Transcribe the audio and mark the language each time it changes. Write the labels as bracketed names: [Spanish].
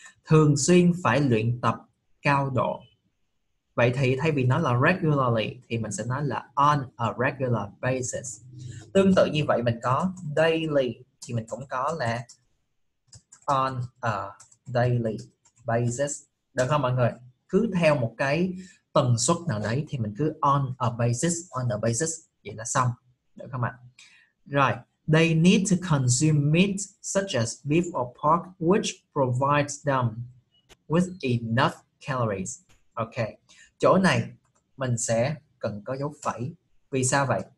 [Vietnamese] Thường xuyên phải luyện tập cao độ. Vậy thì thay vì nói là regularly thì mình sẽ nói là [English] on a regular basis. [Vietnamese] Tương tự như vậy mình có daily, thì mình cũng có là [English] on a daily basis. [Vietnamese] Được không mọi người? Cứ theo một cái tần suất nào đấy thì mình cứ on a basis, vậy là xong. Được không ạ? [English] Rồi, they need to consume meat such as beef or pork which provides them with enough calories. [Vietnamese] Ok, chỗ này mình sẽ cần có dấu phẩy. Vì sao vậy?